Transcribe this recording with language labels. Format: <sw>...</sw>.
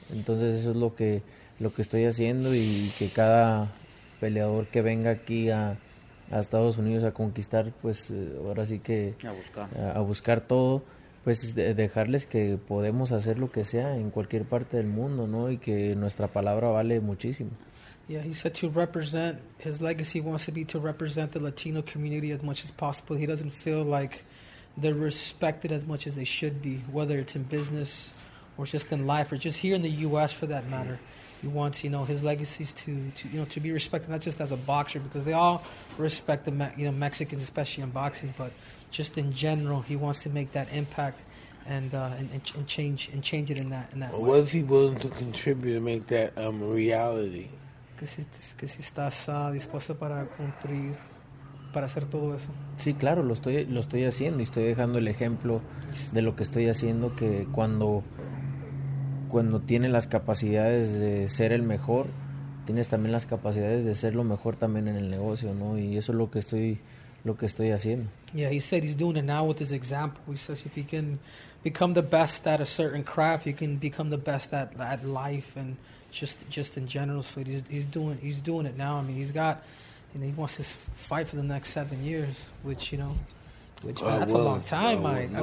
<es>Entonces eso es lo que estoy haciendo, y que cada peleador que venga aquí a Estados Unidos a conquistar, pues ahora sí que a buscar todo, pues dejarles que podemos hacer lo que sea en cualquier parte del mundo, ¿no? Y que nuestra palabra vale muchísimo.</es> <en>Yeah, he said to represent, his legacy wants to be to represent the Latino community as much as possible. He doesn't feel like they're respected as much as they should be, whether it's in business or just in life or just here in the U.S. for that matter. He wants, you know, his legacy is to be respected, not just as a boxer, because they all respect the Mexicans, especially in boxing, but just in general, he wants to make that impact and change it in that way. What is he willing to contribute to make that a reality?</en> <es>Que si estás dispuesto para cumplir, para hacer todo eso. Sí, claro, lo estoy haciendo, y estoy dejando el ejemplo de lo que estoy haciendo, que cuando tienes las capacidades de ser el mejor, tienes también las capacidades de ser lo mejor también en el negocio, ¿no? Y eso es lo que estoy haciendo.</es> <en>Yeah, he said he's doing it now with his example. He says if he can become the best at a certain craft, you can become the best at life and just in general. So he's doing it now. I mean, he's got, you know, he wants to fight for the next 7 years, which, man, that's a long time, Mike.</en>